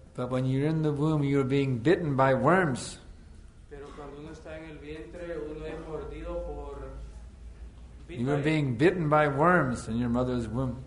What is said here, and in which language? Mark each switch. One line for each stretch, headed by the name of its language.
English: But when you're in the womb, you're being bitten by worms.
Spanish: Pero cuando uno está en el vientre, uno es mordido por.
English: You are being bitten by worms in your mother's womb.